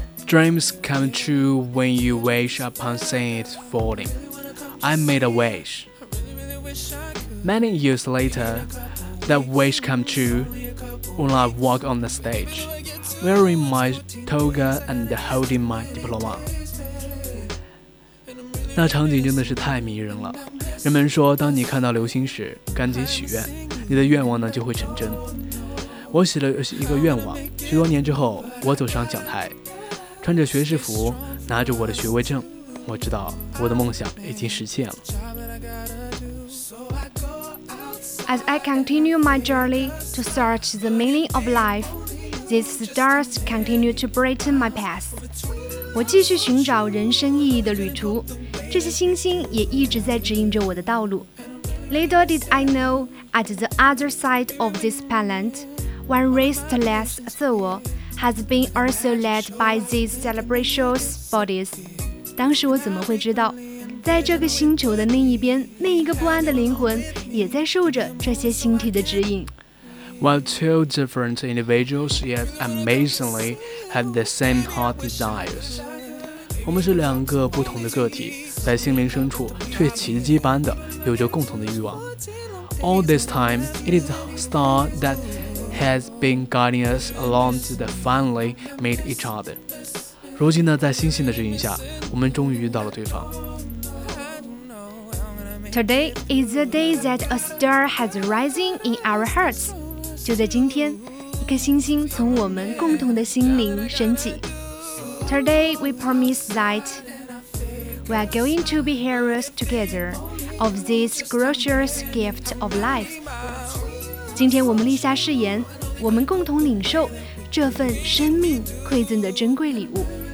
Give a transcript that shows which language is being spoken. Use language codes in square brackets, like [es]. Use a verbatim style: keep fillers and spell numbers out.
[en] Dreams come true when you wish upon seeing it falling. I made a wish. Many years later, that wish came true when I walk on the stage, wearing my toga and holding my diploma. [zh] 那场景真的是太迷人了。人们说，当你看到流星时，赶紧许愿，你的愿望呢就会成真。我许了一个愿望，许多年之后，我走上讲台，穿着学士服，拿着我的学位证，我知道我的梦想已经实现了。 [en] As I continue my journey to search the meaning of life, these stars continue to brighten my path. [zh] 我继续寻找人生意义的旅途，这些星星也一直在指引着我的道路。 [en] Little did I know, at the other side of this planet, one restless soul has been also led by these celestial bodies. [zh] 当时我怎么会知道，在这个星球的另一边，另一个不安的灵魂也在受着这些星体的指引。 [en] While two different individuals yet amazingly had the same heart desires. [zh] 我们是两个不同的个体，在心灵深处却奇迹般的有着共同的欲望。 [en] All this time, it is the star that has been guiding us along to the finally meet each other. [zh] 如今呢，在星星的指引下，我们终于遇到了对方。 [en] Today is the day that a star has risen in our hearts. [zh] 就在今天，一颗星星从我们共同的心灵升起。 [en] Today we promise that we are going to be heroes together of this gracious gift of life. [zh] 今天我们立下誓言，我们共同领受这份生命馈赠的珍贵礼物。